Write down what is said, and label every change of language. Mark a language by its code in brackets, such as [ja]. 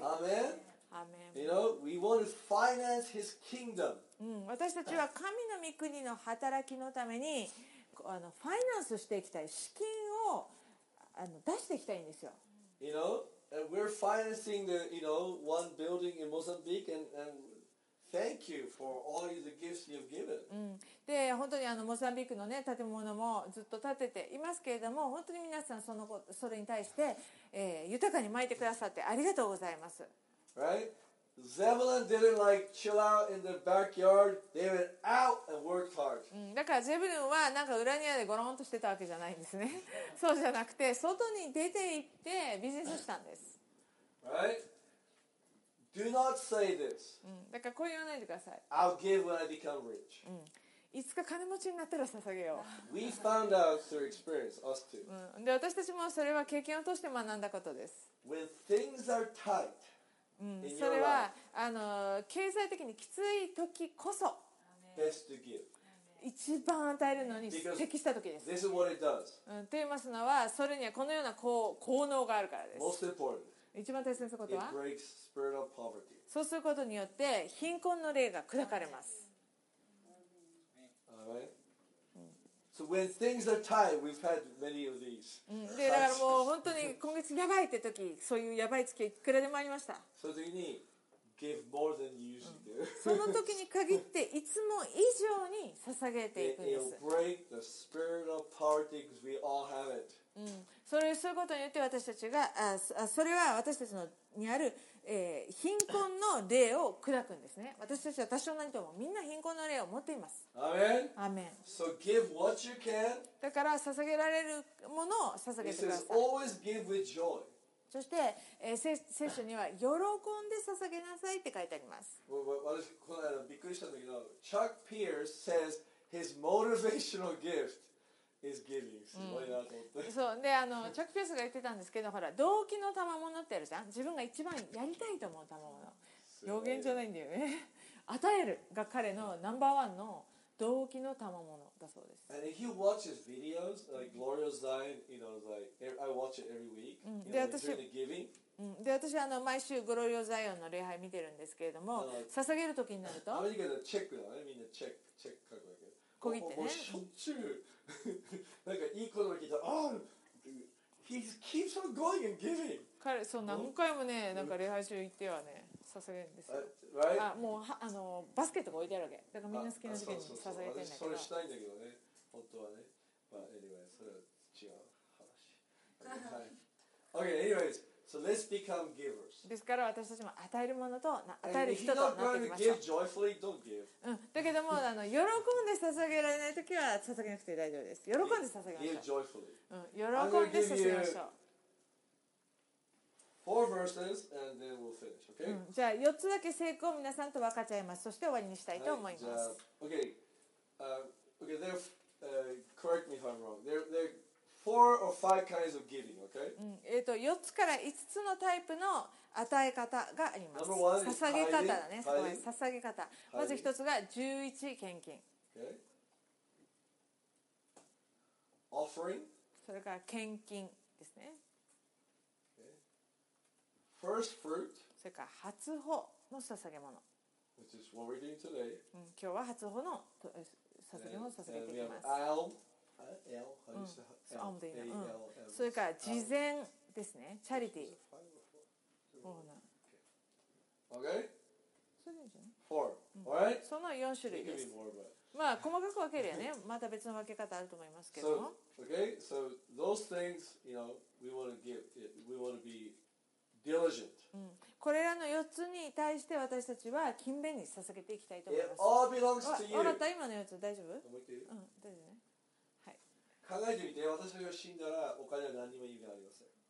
[ja] アーメン。 [en] You know, we want to finance His kingdom. [ja] 私たちは神の御国の働きのためにファイナンスしていきたい、資金を出していきたいんですよ。 [en] You know, and we're financing the, you know, one building in Mozambique, and thank you for all the gifts you've given. [ja] で、本当にモザンビークのね建物もずっと建てていますけれども、本当に皆さんそれに対して、豊かに巻いてくださってありがとうございます。 [en] Right? Zebulun didn't like chill out in the backyard. They went out and worked hard. [ja] だかからゼブルンはなんか裏庭でゴロンとしてたわけじゃないんですね。そうじゃなくて外に出て行ってビジネスしたんです。 [en] Right? Do not say this. [ja] うん、だからこう言わないでください。 [en] I'll give when I become rich.、 [ja] うん、いつか金持ちになったら捧げよう。 [en] We found out through experience, us too.、 [ja] うん、で私たちもそれは経験を通して学んだことです。 [en] When things are tight in your [ja] life, それは経済的にきつい時こそ。 [en] Best to give. [ja] 一番与えるのに適した時です。 [en] This is what it does. [ja] うん、と言いますのは、それにはこのような効能があるからです。 [en] Most important. [ja] 一番大切なことは、 [en] It breaks spirit of poverty. [ja] そうすることによって貧困の霊が砕かれます。 [en] So when things are tight, we've had many of these. [ja] で、だからもう本当に今月やばいって時、そういうやばい月いくらでもありました。 [en] So do you need? Give more than you usually do. [ja] その時に限っていつも以上に捧げていくんです。 [en] It'll break the spirit of poverty because we all have it. [ja] うん、それをすることによって私たちが、それは私たちのにある、貧困の霊を砕くんですね。私たちは多少何ともみんな貧困の霊を持っています。 [en] Amen. Amen. So give what you can. [ja] だから捧げられるものを捧げてください。 [en] It says always give with joy. [ja] そして、聖書には喜んで捧げなさいって書いてあります。私この間びっくりしたんだけど、チャック・ピアース [en] says his motivational gift is giving、 [ja] うん、そうで、チャック・ピアースが言ってたんですけど、ほら動機の賜物ってあるじゃん、自分が一番やりたいと思う賜物、予言じゃないんだよね与えるが彼のナンバーワンの動機の賜物だそうです。 [en] And if you watch his videos, like Gloria Zion, you know, like I watch it every week. [ja] で、 [en] 私、during the giving. [ja] で、私毎週グロリオザイオンの礼拝見てるんですけれども、捧げる時になると、アメリカでチェックだね、みんなチェックチェック書くわけ。小切手ね。しょっちゅうなんかいいことが聞いた。 [en] Oh, he keeps on going and giving. [ja] 彼、そう何回もね、なんか礼拝中行ってはね。捧げるんですよ。 [en] Right? [ja] あ、もうはバスケットが置いてあるわけ。だからみんな好きな時期に捧げてるんだけど。それしたいんだけどね。本当はね。まあ、anyway、それは違う話。 [en] Okay, anyways, so let's become givers. [ja] ですから私たちも与えるものと与える人となっていきましょう。 [en] And if you're not going to give joyfully, don't give. [ja] うん。だけども喜んで捧げられないときは捧げなくて大丈夫です。喜んで捧げましょう。 [en] Give joyfully. [ja] うん。喜んで捧げましょう。 [en] Four verses and then we'll finish, okay? [ja] じゃあ4つだけ成功を皆さんと分かち合います。そして終わりにしたいと思います。 [en] Right, okay, there, correct me if I'm wrong. There are four or five kinds of giving, okay? [ja] 4つから5つのタイプの与え方があります。 [en] Number one [ja] 捧げ方だね。 [en] Tiding. [ja] 捧げ方。まず1つが11献金。 [en] Okay. Offering. [ja] それから献金ですね。 [en] First fruit, [ja] それから初穂の捧げ物。 [en] Which is what we're doing today. [ja] 今日は初穂の捧げ物を捧げていきます。 [en] And we have alm, how do you say alm? [ja] それから慈善ですね、チャリティー。 [en] Okay. Four. All right. [ja] その4種類です。まあ細かく分けるよね。また別の分け方あると思いますけども。 [en] Okay. So those things, you know, we want to give. We want to be. Diligent. [ja] これらの4つに対して私たちは勤勉に捧げていきたいと思います。 [en] It all belongs to you. [ja] わかった、今の4つ大丈夫？覚えている？うん、大丈夫ね。はい。考えてみて、私が死んだらお金は何にも意味がありません。